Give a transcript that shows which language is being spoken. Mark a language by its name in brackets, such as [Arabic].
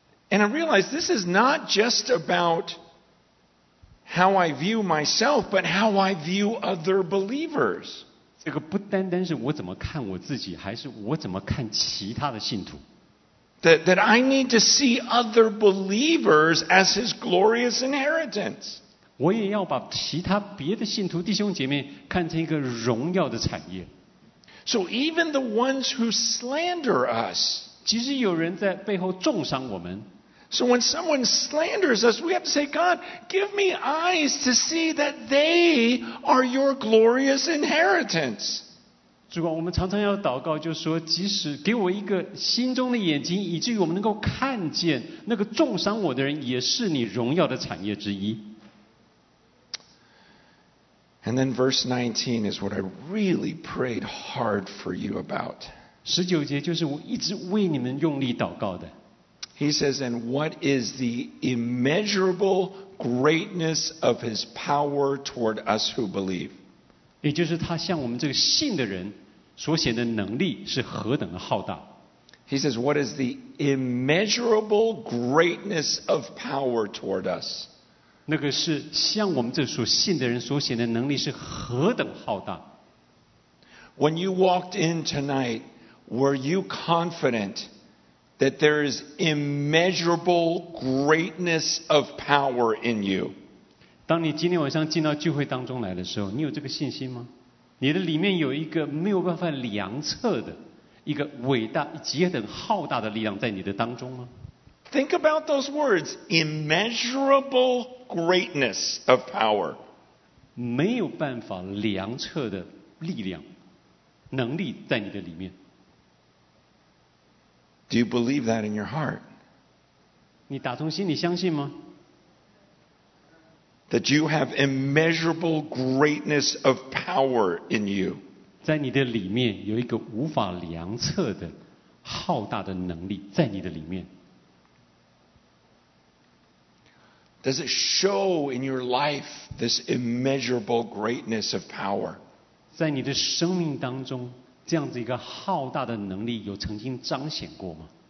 [English] And I realize this is not just about how I view myself but how I view other believers [Chinese] 这个不单单是我怎么看我自己还是我怎么看其他的信徒 [English] That I need to see other believers as his glorious inheritance. [Chinese] 我也要把其他别的信徒弟兄姐妹看成一个荣耀的产业。 [English] So even the ones who slander us, [Chinese] 其实有人在背后重伤我们。 [English] So when someone slanders us, we have to say, God, give me eyes to see that they are your glorious inheritance. [Chinese] 主啊，我们常常要祷告，就说，即使给我一个心中的眼睛，以至于我们能够看见那个重伤我的人，也是你荣耀的产业之一。 [English] And then verse 19 is what I really prayed hard for you about. [Chinese] 十九节就是我一直为你们用力祷告的。 [English] He says, "And what is the immeasurable greatness of His power toward us who believe?" [Chinese] 也就是他向我们这个信的人。所显的能力是何等的浩大。 [English] He says, "What is the immeasurable greatness of power toward us?" [Chinese] 那个是向我们这所信的人所显的能力是何等浩大。 [English] When you walked in tonight, were you confident that there is immeasurable greatness of power in you? [Chinese] 当你今天晚上进到聚会当中来的时候，你有这个信心吗？你的里面有一个没有办法量测的一个伟大极等浩大的力量在你的当中吗 [English] Think about those words, immeasurable greatness of power. [Chinese] 没有办法量测的力量能力在你的里面。 [English] Do you believe that in your heart? [Chinese] 你打从心里相信吗 [English] That you have immeasurable greatness of power in you. [Chinese] 在你的里面有一个无法量测的浩大的能力在你的里面。 [English] Does it show in your life this immeasurable greatness of power? [Chinese] 在你的生命当中这样子一个浩大的能力有曾经彰显过吗？